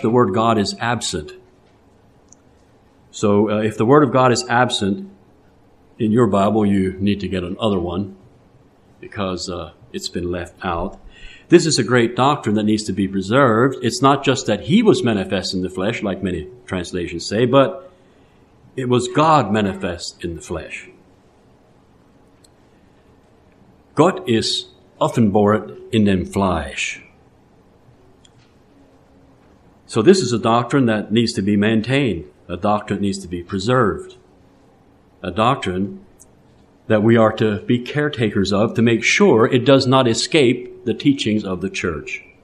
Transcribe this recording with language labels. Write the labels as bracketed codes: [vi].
[en] The word God is absent. So if the Word of God is absent in your Bible, you need to get another one, because it's been left out. This is a great doctrine that needs to be preserved. It's not just that he was manifest in the flesh, like many translations say, but it was God manifest in the flesh. [de] Gott ist offenbart in dem Fleisch. [en] So this is a doctrine that needs to be maintained, a doctrine that needs to be preserved, a doctrine that we are to be caretakers of, to make sure it does not escape the teachings of the church.